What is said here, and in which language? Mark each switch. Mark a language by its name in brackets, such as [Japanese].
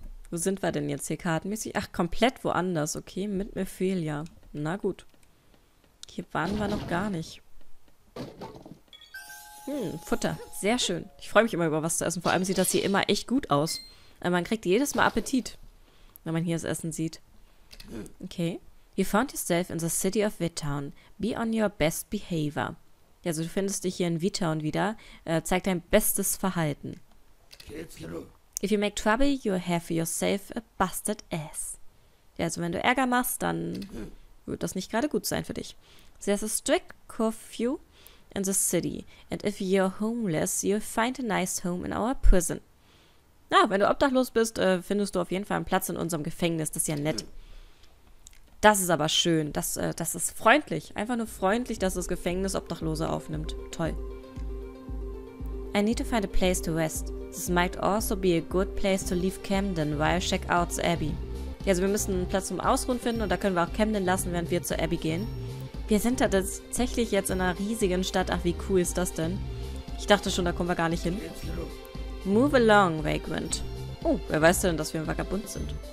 [German] Wo sind wir denn jetzt hier kartenmäßig? Ach, komplett woanders. Okay, mit Mephilia. Na gut. Hier waren wir noch gar nicht. Futter. Sehr schön. Ich freue mich immer über was zu essen. Vor allem sieht das hier immer echt gut aus. Man kriegt jedes Mal Appetit, wenn man hier das Essen sieht. Okay. [English] You found yourself in the city of Vitown. Be on your best behavior. [German] Also du findest dich hier in Vitown wieder. Zeig dein bestes Verhalten. [English] If you make trouble, you have for yourself a busted ass. [German] Ja, also wenn du Ärger machst, dann wird das nicht gerade gut sein für dich. [English] There's a strict curfew in the city. And if you're homeless, you'll find a nice home in our prison. [German] Na, wenn du obdachlos bist, findest du auf jeden Fall einen Platz in unserem Gefängnis. Das ist ja nett. Das ist aber schön. Das ist freundlich. Einfach nur freundlich, dass das Gefängnis Obdachlose aufnimmt. [English] Toll. I need to find a place to rest. This might also be a good place to leave Camden while I check out the Abbey. [German] Ja, also wir müssen einen Platz zum Ausruhen finden und da können wir auch Camden lassen, während wir zur Abbey gehen. Wir sind da tatsächlich jetzt in einer riesigen Stadt. Ach, wie cool ist das denn? Ich dachte schon, da kommen wir gar nicht hin. [English] Move along, Vagrant. [German] Oh, wer weiß denn, dass wir ein Vagabund sind?